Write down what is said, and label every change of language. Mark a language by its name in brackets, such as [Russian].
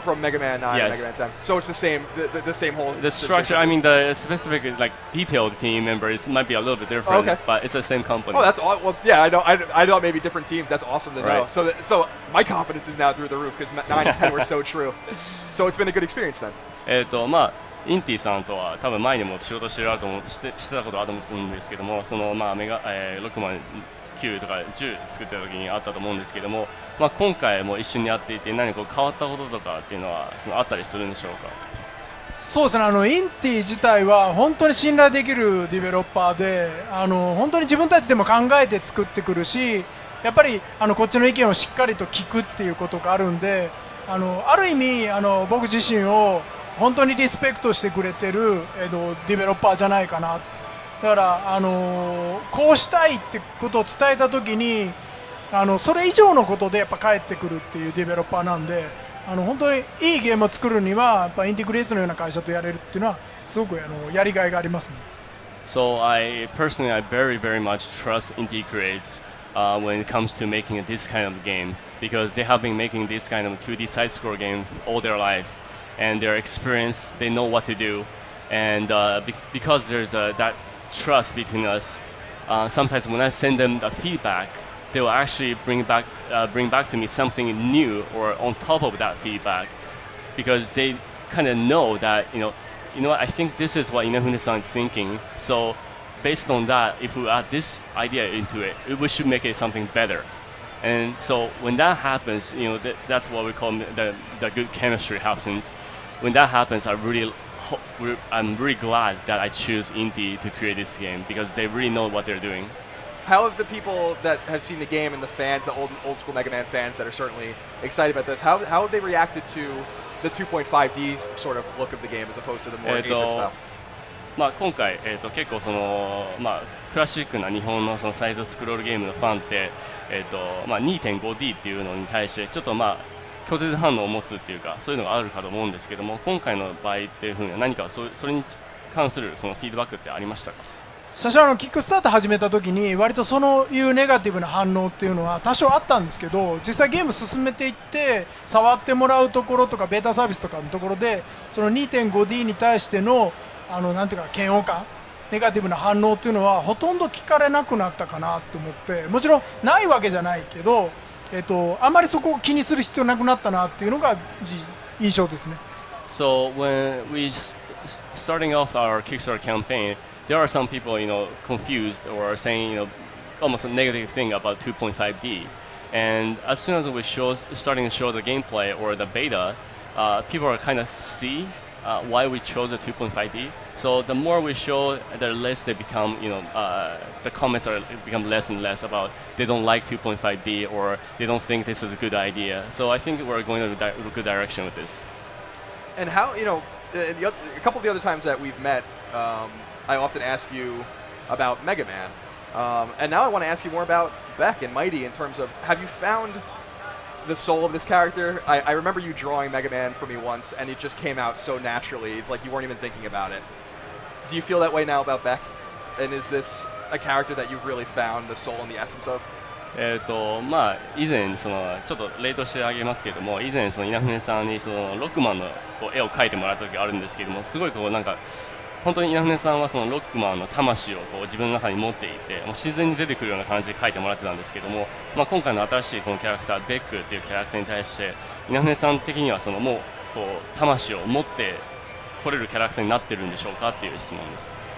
[English] Mega Man 9, yes, and Mega Man 10. So it's the same, the same whole the structure. I mean, the specific, like, detailed team members might be a little bit different. Oh, okay. But it's the same company. Oh, that's all. Well, yeah, I thought maybe different teams. That's awesome to know. Right. So my confidence is now through the roof, because 9 and 10 were so true. So it's been a good experience then. [Japanese] インティさんとは多分前にも仕事してると思ってしてたことあると思うんですけども、そのまあメガ、6万9とか10作ってた時にあったと思うんですけども、まあ、今回も一緒にやっていて何か変わったこととかっていうのはそのあったりするんでしょうか。そうですね、あのインティ自体は本当に信頼できるディベロッパーで、あの本当に自分たちでも考えて作ってくるし、やっぱりあのこっちの意見をしっかりと聞くっていうことがあるんで、 ある意味あの僕自身を本当にリスペクトしてくれてる、ディベロッパーじゃないかな。だから、こうしたいってことを伝えた時に、それ以上のことでやっぱ返ってくるっていうディベロッパーなんで、本当にいいゲームを作るにはやっぱインティグレーツのような会社とやれるっていうのはすごく、やりがいがありますね。 [English] So I personally I very very much trust Indie Creates、when it comes to making this kind of game, because they have been making this kind of 2D side score game all their lives. And their experience, they know what to do. And because there's that trust between us, sometimes when I send them the feedback, they will actually bring back to me something new or on top of that feedback, because they kind of know that, you know what, I think this is what Inafune-san is thinking. So based on that, if we add this idea into it, we should make it something better. And so when that happens, you know, that's what we call the good chemistry happens. When that happens, I'm really glad that I choose Indie to create this game, because they really know what they're doing. How have the people that have seen the game and the fans, the old school Mega Man fans that are certainly excited about this, how have they reacted to the 2.5D sort of look of the game as opposed to the more 8-bit style? [Japanese] まあ、今回、結構そのまあクラシックな日本 の, そのサイドスクロールゲームのファンって、まあ 2.5D っていうのに対してちょっとまあ拒絶反応を持つっていうか、そういうのがあるかと思うんですけども、今回の場合っていうふうには何か それに関するそのフィードバックってありましたか。最初キックスタート始めた時に割とそのいうネガティブな反応っていうのは多少あったんですけど、実際ゲーム進めていって触ってもらうところとかベータサービスとかのところで、その 2.5D に対してのなんていうか嫌悪感、ネガティブな反応というのはほとんど聞かれなくなったかなと思って、もちろんないわけじゃないけど、あまりそこを気にする必要なくなったなというのが印象ですね。 [English] So when we starting off our Kickstarter campaign, there are some people, you know, confused or saying, you know, almost a negative thing about 2.5D. And as soon as we starting to show the gameplay or the beta, people are kind of seeWhy we chose the 2.5D. So the more we show, the less they become, you know, the comments are become less and less about they don't like 2.5D or they don't think this is a good idea. So I think we're going in a good direction with this. And how, you know, a couple of the other times that we've met, I often ask you about Mega Man. And now I want to ask you more about Beck and Mighty in terms of, have you found... the soul of this character? I remember you drawing Mega Man for me once, and it just came out so naturally. It's like you weren't even thinking about it. Do you feel that way now about Beck? And is this a character that you've really found the soul and the essence of? [Japanese] まあ、以前そのちょっとレートしてあげますけども、以前その稲船さんにその六万のこう絵を描いてもらった時があるんですけども、すごいこうなんか本当に稲船さんはそのロックマンの魂をこう自分の中に持っていて、もう自然に出てくるような感じで描いてもらってたんですけども、まあ、今回の新しいこのキャラクターベックっていうキャラクターに対して稲船さん的にはそのもうこう魂を持ってこれるキャラクターになってるんでしょうかっていう質問です。